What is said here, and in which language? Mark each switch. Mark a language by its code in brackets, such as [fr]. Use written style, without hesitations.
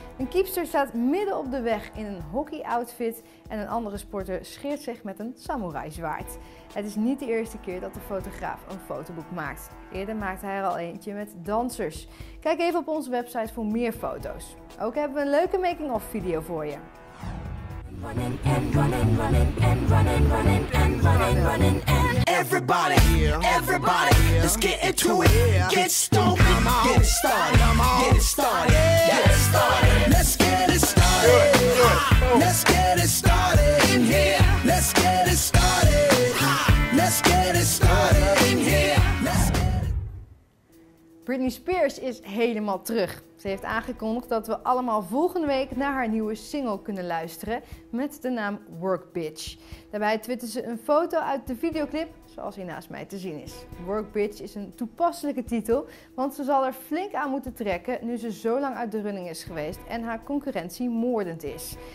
[nl] Een keepster staat midden op de weg in een hockey outfit en een andere sporter scheert zich met een samurai zwaard. Het is niet de eerste keer dat de fotograaf een fotoboek maakt. Eerder maakte hij er al eentje met dansers. Kijk even op onze website voor meer foto's. Ook hebben we een leuke making-of video voor je. [en] Everybody, everybody, let's get into it, get stoked, get it started, get it started, get it started, let's get it started, let's get it started in here, let's get it started, let's get it started in here. [nl] Britney Spears is helemaal terug. Ze heeft aangekondigd dat we allemaal volgende week naar haar nieuwe single kunnen luisteren met de naam Work Bitch. Daarbij twitterde ze een foto uit de videoclip. zoals hier naast mij te zien is. Workbitch is een toepasselijke titel, want ze zal er flink aan moeten trekken nu ze zo lang uit de running is geweest en haar concurrentie moordend is.